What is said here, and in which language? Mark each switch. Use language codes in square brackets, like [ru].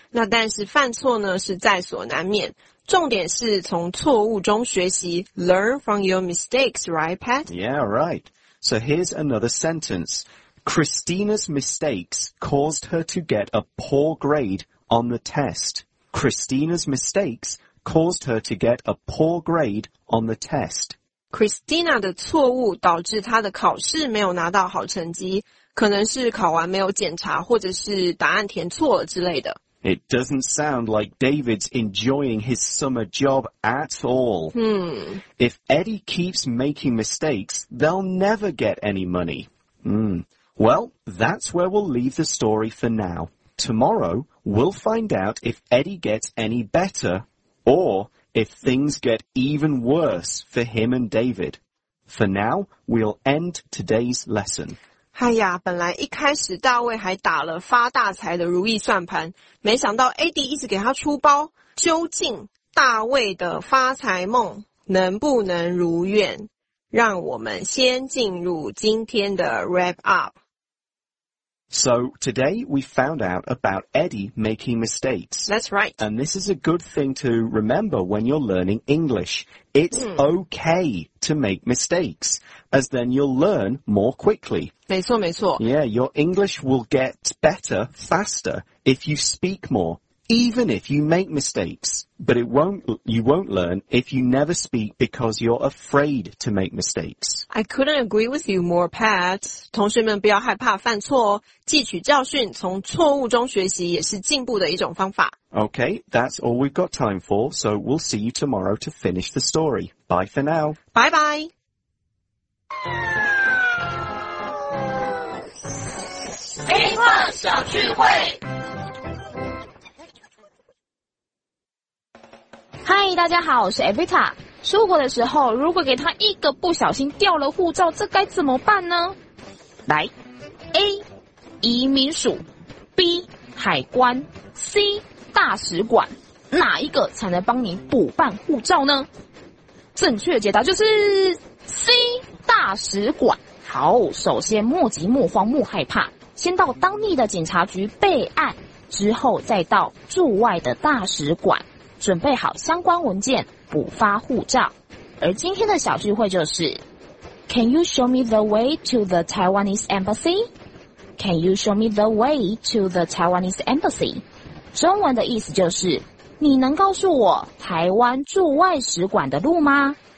[zh] 那但是犯错呢是在所难免。重点是从错误中学习。 [en] Learn from your mistakes, right, Pat? Yeah, right. So here's another sentence. Christina's mistakes caused her to get a poor grade on the test. Christina's mistakes caused her to get a poor grade on the test. [zh] Christina 的错误导致她的考试没有拿到好成绩，可能是考完没有检查，或者是答案填错了之类的。 [en] It doesn't sound like David's enjoying his summer job at all. Hmm. If Eddie keeps making mistakes, they'll never get any money. Hmm. Well, that's where we'll leave the story for now. Tomorrow, we'll find out if Eddie gets any better, or... If things get even worse for him and David. For now, we'll end today's lesson. [zh] 哎呀，本来一开始大卫还打了发大财的如意算盘，没想到 Eddie 一直给他出包。究竟大卫的发财梦能不能如愿？让我们先进入今天的 wrap up. [en] So, today we found out about Eddie making mistakes. That's right. And this is a good thing to remember when you're learning English. It's okay to make mistakes, as then you'll learn more quickly. [zh] 没错没错。 [en] Yeah, your English will get better faster if you speak more, even if you make mistakes. But you won't learn if you never speak because you're afraid to make mistakes. I couldn't agree with you more, Pat. [zh] 同学们不要害怕犯错哦，汲取教训，从错误中学习也是进步的一种方法。 [en] Okay, that's all we've got time for, so we'll see you tomorrow to finish the story. Bye for now. Bye bye. [zh] A-Class 小聚会嗨，大家好，我是 Evita。出国的时候，如果给他一个不小心掉了护照，这该怎么办呢？来 ，A， 移民署 ，B， 海关 ，C， 大使馆，哪一个才能帮你补办护照呢？正确解答就是 C， 大使馆。好，首先莫急莫慌莫害怕，先到当地的警察局备案，之后再到驻外的大使馆。准备好相关文件，补发护照。而今天的小聚会就是 [en] ：Can you show me the way to the Taiwanese embassy? Can you show me the way to the Taiwanese embassy? [zh] 中文的意思就是：你能告诉我台湾驻外使馆的路吗？